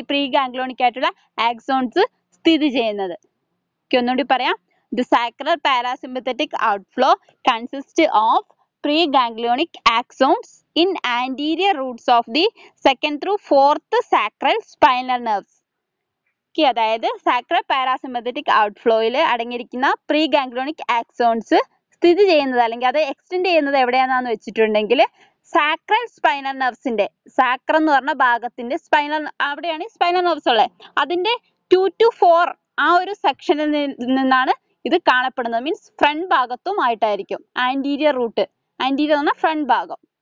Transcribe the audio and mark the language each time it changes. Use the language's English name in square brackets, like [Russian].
[Malayalam] ഈ pre ganglionic ആയിട്ടുള്ള axons സ്ഥിതി ചെയ്യുന്നത്. ഓക്കെ, ഒന്നുകൂടി പറയാം. [English] The sacral parasympathetic outflow consists of preganglionic axons in anterior roots of the second through fourth sacral spinal nerves. [Malayalam] Okay അതായത് Saqqara parasympathetic out ഫ്ലോയിൽ അടങ്ങിയിരിക്കുന്ന പ്രീ ഗാംഗ്ലിയോണിക് ആക്സോൺസ് സ്ഥിതി ചെയ്യുന്നത് അല്ലെങ്കിൽ അത് എക്സ്റ്റെൻഡ് ചെയ്യുന്നത് എവിടെയാണെന്ന് വെച്ചിട്ടുണ്ടെങ്കിൽ സാക്രൽ സ്പൈനൽ നെർവ്സിന്റെ സാക്ര എന്ന് പറഞ്ഞ ഭാഗത്തിന്റെ സ്പൈനൽ അവിടെയാണ് സ്പൈനൽ നെർവ്സ് ഉള്ളത് അതിന്റെ 2 to 4 ആ ഒരു സെക്ഷനിൽ നിന്നാണ് ഇത് കാണപ്പെടുന്നത് മീൻസ് ഫ്രണ്ട് ഭാഗത്തും ആയിട്ടായിരിക്കും ആന്റീരിയർ റൂട്ട് ആന്റീരിയർ എന്ന ഫ്രണ്ട് ഭാഗം